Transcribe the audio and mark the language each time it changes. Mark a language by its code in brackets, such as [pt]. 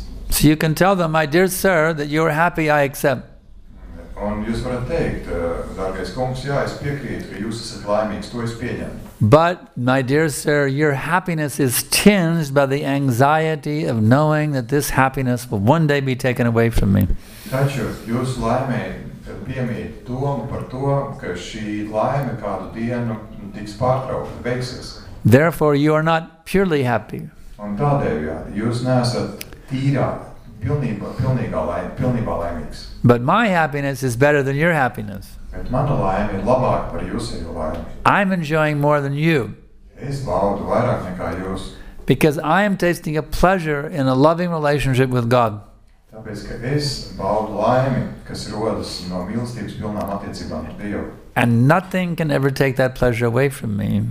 [en] So you can tell them, my dear sir, that you are happy, I accept. [lv] Un jūs varat teikt, dārgais kungs, jā, es piekrītu, ka jūs esat laimīgs, to es pieņemu. [en] But, my dear sir, your happiness is tinged by the anxiety of knowing that this happiness will one day be taken away from me. [lv] Taču, jūs laimē piemīt domu par to, ka šī laime kādu dienu tiks pārtraukta, beigsies. [en] Therefore, you are not purely happy. [lv] Un tādēļ, jā, jūs neesat tīrā. Pilnībā laimīgs. [en] But my happiness is better than your happiness. [lv] Bet mana laime ir labāka par jūsu laimi. [en] I'm enjoying more than you. [lv] Es baudu vairāk nekā jūs. [en] Because I am tasting a pleasure in a loving relationship with God. [lv] Tāpēc, ka es baudu laimi, kas rodas no mīlestības pilnām attiecībām ar Dievu. [en] And nothing can ever take that pleasure away from me.